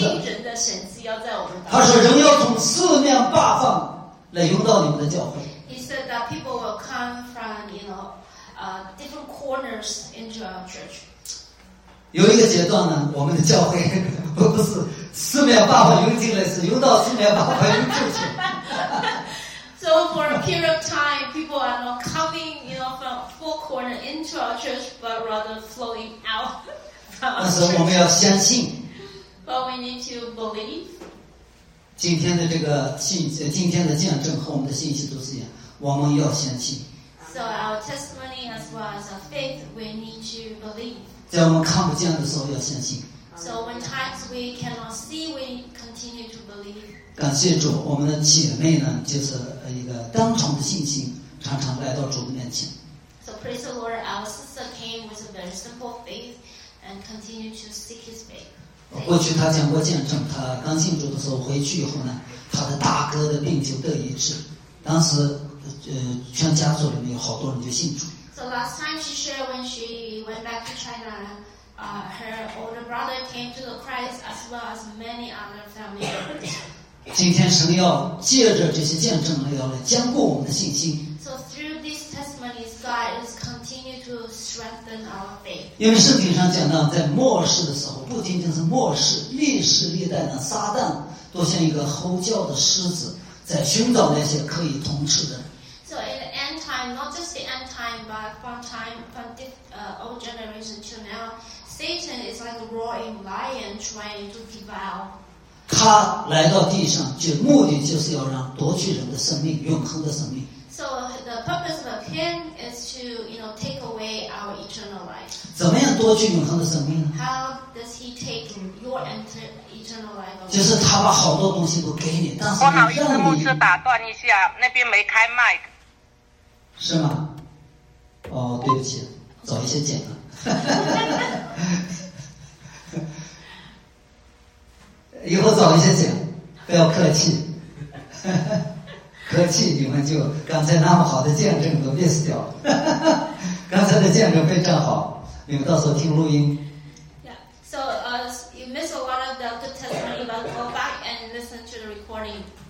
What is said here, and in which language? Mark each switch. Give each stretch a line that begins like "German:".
Chinese: 惊人的神迹要在我们当他说：“人要从四面八方来涌到你们的教会。”
English: He said that people will come from, you know, different corners into our church.
Chinese: 有一个阶段呢，我们的教会不是四面八方涌进来，是涌到四面八方涌出去。
English: So for a period of time, people are not coming, you know, from four corners into our church, but rather flowing out.
Chinese: 但是我们要相信。
English: But we need to believe.
Chinese: 今天的这个信，今天的见证和我们的信息都是一样，我们要相信。
English: So our testimony as well as our faith, we need to believe.
Chinese: 在我们看不见的时候要相信。
English: So when times we cannot see, we continue to believe.
Chinese: 感谢主，我们的姐妹呢，就是一个当场的信心，常常来到主的面前。
English: So praise the Lord, our sister came with a very simple faith and continued to seek His faith.
Chinese: 过去她讲过见证，她刚信主的时候回去以后呢，她的大哥的病就得医治，当时全家族里面有好多人就信主。
English: So last time she shared when she went back to China, her older brother came to the Christ as well as many other family members.
Chinese: 今天神要借着这些见证要来坚固我们的信心。
English: So through these testimonies, God is continue to strengthen our faith.
Chinese: 因为圣经上讲到，在末世的时候，不仅仅是末世，历史历代的撒旦都像一个吼叫的狮子，在寻找那些可以统治的。
English: So in the end time, not just the end time, but from time from the old generation to now, Satan is like a roaring lion trying to devour.
Chinese: 他来到地上，就目的就是要让夺取人的生命，永恒的生命。
English: So the purpose of him is to, you know, take away our eternal life.
Chinese: 怎么样夺取永恒的生命呢
English: ？How does he take your eternal life?
Chinese: 就是他把好多东西都给你，但是不好意思，牧师打断一下，那边没开麦。是吗？哦，对不起，早一些剪了。以后早一些讲，不要客气，客气你们就刚才那么好的见证都 miss 掉了，刚才的见证非常好，你们到时候听录音。
English: Yeah, so you miss a lot of the good testimony, but go back and listen to the recording.